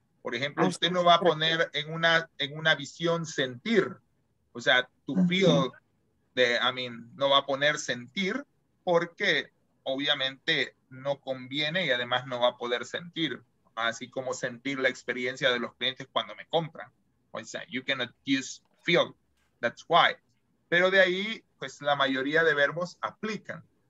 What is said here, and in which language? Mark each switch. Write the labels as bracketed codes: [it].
[es] Por ejemplo, usted no va a poner en una visión sentir, o sea, to feel, no va a poner sentir porque obviamente no conviene y además no va a poder sentir, así como sentir la experiencia de los clientes cuando me compran. O sea, [en] you cannot use feel, that's why. [es] Pero de ahí, pues la mayoría de verbos aplican.